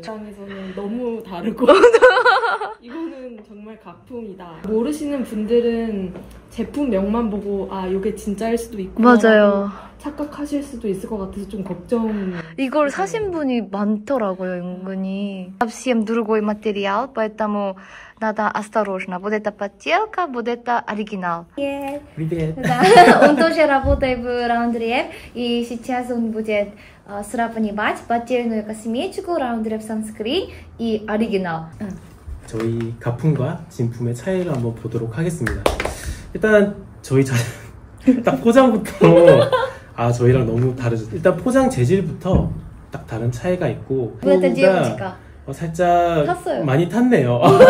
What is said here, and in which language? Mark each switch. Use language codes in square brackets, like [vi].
[ko] 저에서는 너무 다르고 이거는 정말 가품이다. 모르시는 분들은 제품명만 보고 아 이게 진짜일 수도 있구나 맞아요. 착각하실 수도 있을 것 같아서 좀 걱정. 이걸 사신 분이 많더라고요 은근히. 앱CM 누르고 이 마테리알 [ru] поэтому надо осторожно. Вот эта подделка, вот это оригинал. Привет. Он тоже работает в Round Lab и сейчас он будет сравнивать поддельную косметику Round Lab Sunscreen и оригинал. [ko] 저희 가품과 진품의 차이를 한번 보도록 하겠습니다. 일단 저희 딱 포장부터 아 저희랑 너무 다르죠. 일단 포장 재질부터 딱 다른 차이가 있고 살짝 탔어요. 많이 탔네요.